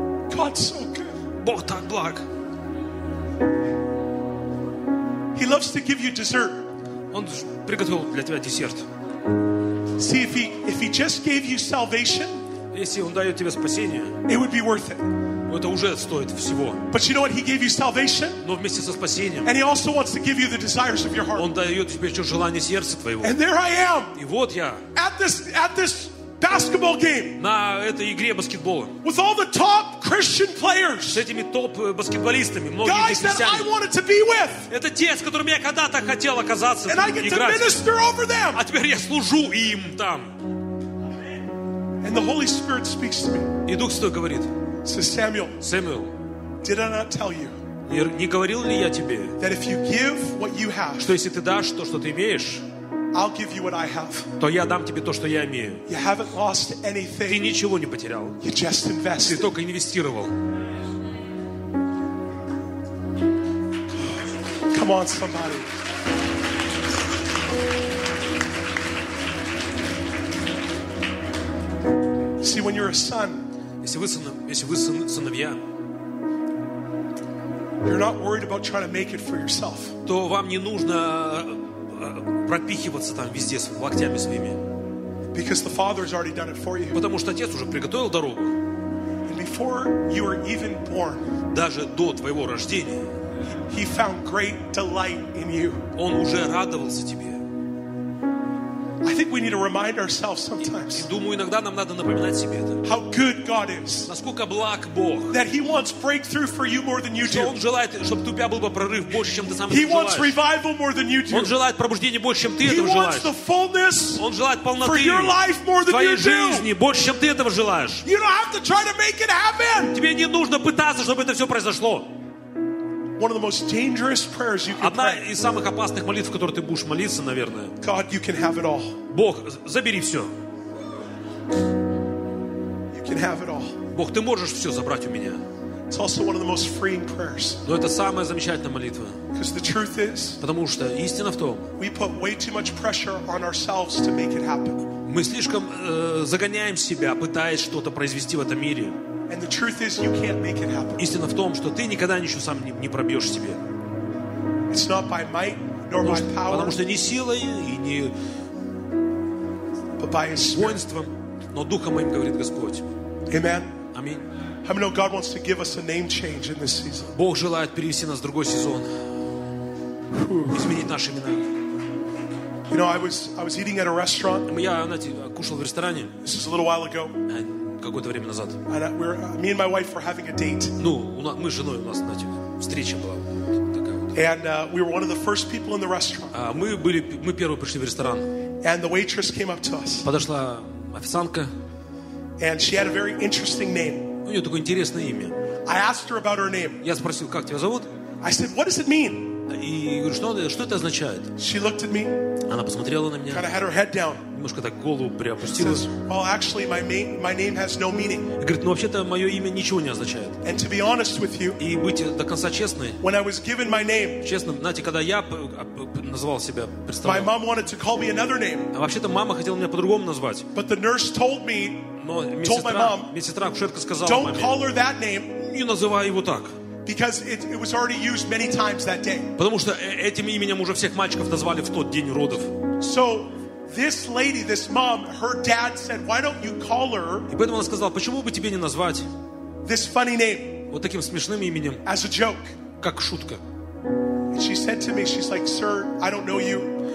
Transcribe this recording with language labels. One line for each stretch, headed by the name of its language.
English: God's so good.
Russian: Бог так благ.
English: He loves to give you dessert.
Russian: Он приготовил для тебя десерт.
English: See, if he just gave you salvation,
Russian: если он дает тебе спасение,
English: it would be worth it.
Russian: Это уже стоит всего.
English: But you know what? He gave you salvation.
Russian: Но вместе со спасением.
English: And he also wants to give you the desires of your heart.
Russian: Он дает тебе еще желание сердца твоего.
English: And there I am.
Russian: И вот я.
English: At this basketball game.
Russian: На этой игре баскетбола.
English: With all the top Christian players.
Russian: С этими топ баскетболистами, многие христиане.
English: Guys that I wanted to be with.
Russian: Это те, с которыми я когда-то хотел оказаться.
English: And I get to minister over them.
Russian: А теперь я служу им там.
English: And the Holy Spirit speaks to me.
Russian: И Дух Святой говорит.
English: Says Samuel.
Russian: Samuel.
English: Did I not tell you?
Russian: Не говорил ли я тебе?
English: That if you give what you have.
Russian: Что если ты дашь то, что ты имеешь?
English: I'll give you what I have.
Russian: То я дам тебе то, что я имею.
English: You haven't lost anything.
Russian: Ты ничего не потерял.
English: You just invested.
Russian: Ты только инвестировал.
English: Come on, somebody. See, when you're a son.
Russian: Если вы сыновья.
English: You're not worried about trying to make it for yourself.
Russian: То вам не нужно пропихиваться там везде с локтями своими.
English: Because the Father has already done it for you.
Russian: Потому что Отец уже приготовил дорогу.
English: And before you were even born.
Russian: Даже до твоего рождения.
English: He found great delight in you.
Russian: Он уже радовался тебе.
English: I think we need to remind ourselves sometimes.
Russian: Думаю, иногда нам надо напоминать себе это.
English: How good God is.
Russian: Насколько благ Бог.
English: That He wants breakthrough for you more than you do.
Russian: Он желает, чтобы у тебя был бы прорыв больше, чем ты сам желаешь.
English: He wants revival more than you do.
Russian: Он желает пробуждение больше, чем ты этого желаешь.
English: He wants the fullness.
Russian: Он желает полноты.
English: For your life more than you do.
Russian: Твоей жизни больше, чем ты этого желаешь.
English: You don't have to try to make it happen.
Russian: Тебе не нужно пытаться, чтобы это все произошло.
English: One of the most dangerous prayers you can pray.
Russian: Одна из самых опасных молитв, в которой ты будешь молиться, наверное.
English: God, you can have it all.
Russian: Бог, забери все.
English: You can have it all.
Russian: Бог, ты можешь все забрать у меня.
English: It's also one of the most freeing prayers.
Russian: Но это самая замечательная молитва.
English: Because the truth is.
Russian: Потому что истина в том.
English: We put way too much pressure on ourselves to make it happen.
Russian: Мы слишком загоняем себя, пытаясь что-то произвести в этом мире.
English: And the truth is, you can't make it happen.
Russian: Истина в том, что ты никогда ничего сам не пробьешь себе.
English: It's not by might nor by power.
Russian: Потому что не силой и не воинством, но духом моим говорит Господь.
English: Amen.
Russian: Аминь.
English: How many know God wants to give us a name change in this season?
Russian: Бог желает перевести нас в другой сезон, изменить наши имена.
English: You know, I was eating at a restaurant.
Russian: Я, знаете, кушал в ресторане.
English: This was a little while ago.
Russian: Какое-то время назад.
English: Me and my wife were having a date.
Russian: Ну, мы с женой у нас, знаете, встреча была такая вот.
English: And we were one of the first people in the restaurant.
Russian: Мы первые пришли в ресторан.
English: And the waitress came up to us.
Russian: Подошла официантка.
English: And she had a very interesting name.
Russian: У нее такое интересное имя.
English: I asked her about her name.
Russian: Я спросил, как тебя зовут?
English: I said, what does it mean?
Russian: И говорю, что это означает?
English: She looked at me.
Russian: Она посмотрела на меня.
English: Kind of had her head down.
Russian: Немножко так голову приопустилась.
English: Says, well, actually, my name has no meaning.
Russian: Говорит, ну вообще-то мое имя ничего не означает.
English: And to be honest with you,
Russian: и быть до конца честной.
English: When I was given my name,
Russian: честно, знаете, когда я называл себя, представлял.
English: My mom wanted to call me another name.
Russian: А вообще-то мама хотела меня по-другому назвать.
English: But the nurse told me, told my mom,
Russian: медсестра, акушерка сказала маме,
English: don't call her that name.
Russian: Не называй его так.
English: Because it was already used many times that day.
Russian: Потому что этим именем уже всех мальчиков назвали в тот день родов.
English: So this lady, this mom, her dad said, "Why don't you call her?"
Russian: И поэтому она сказала, почему бы тебе не назвать
English: this funny name?
Russian: Вот таким смешным именем.
English: As a joke.
Russian: Как шутка.
English: And she said to me, she's like, "Sir, I don't know you."